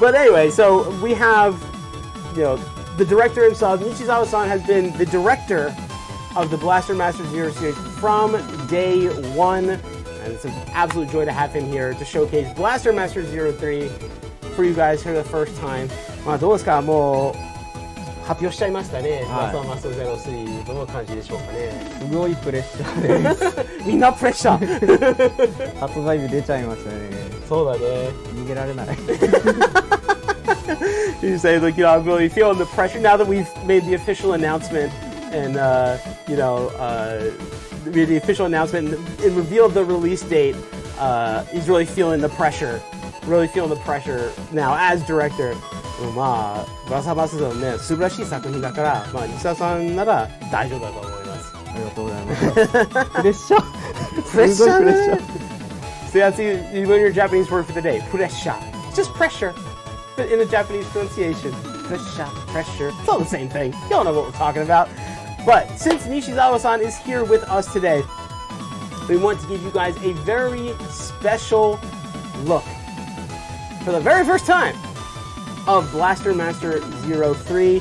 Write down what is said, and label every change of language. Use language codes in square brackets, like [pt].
[en] But anyway, so we have, you know, the director himself. Nishizawa-san has been the director of the Blaster Master Zero series from day one, and it's an absolute joy to have him here to showcase Blaster Master 03 for you guys for the first time. [ja] まあどうですか、もう発表しちゃいましたね。はい、マスターマスター03、どんな感じでしょうかね。すごいプレッシャーです。みんなプレッシャー。発売日出ちゃいましたね。そうだね。逃げられない。 [en] You say, look, you know, I'm really feeling the pressure now that we've made the official announcement and, you know, made the official announcement and revealed the release date. He's really feeling the pressure. Really feeling the pressure now as director. [ja] Well, まあ、バサバサのね、素晴らしい作品だから、まあ、西田さんなら大丈夫だと思います。ありがとうございます。プレッシャー。プレッシャー。すごいプレッシャー。 [en] So that's you learn your Japanese word for the day. [ja] プレッシャー。 [en] Just pressure. But in the Japanese pronunciation, pressure, it's all the same thing. Y'all know what we're talking about. But since Nishizawa-san is here with us today, we want to give you guys a very special look for the very first time of Blaster Master 03.